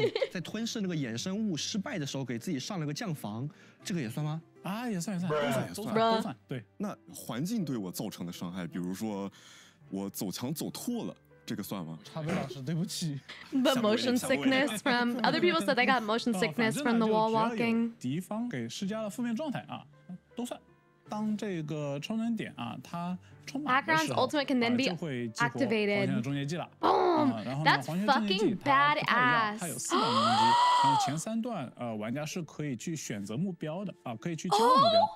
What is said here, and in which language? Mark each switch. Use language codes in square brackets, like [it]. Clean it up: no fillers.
[zh] 在吞噬那个衍生物失败的时候，给自己上了个降防，这个也算吗？啊，也算，也算，都算，都算，都算。对，那环境对我造成的伤害，比如说我走墙走吐了。这个算吗？查贝老师，对不起。 [en] But motion sickness from other people said they got motion sickness from the wall walking. [zh] 敌方给施加了负面状态啊，都算。当这个充能点啊，它充满的时候 [en] ，Acheron's ultimate can then be activated. [zh] 黄泉的终结技了。 [en] Boom! That's fucking badass. [zh] 它有四段攻击，然后前三段玩家是可以去选择目标的啊，可以去交换目标。